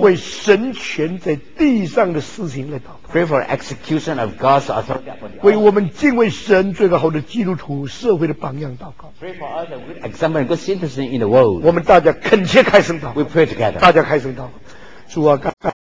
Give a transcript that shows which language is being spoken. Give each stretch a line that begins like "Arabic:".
Chinese: 为神权在地上的事情来祷告。
English: Pray for execution of God's authority.
Chinese: 为我们敬畏神最好的基督徒社会的榜样祷告。
English: Pray for us a good example and good citizen in the world.
Chinese: 我们大家恳切开声祷告。
English: We pray together.
Chinese: 大家开声祷告。主啊，感谢。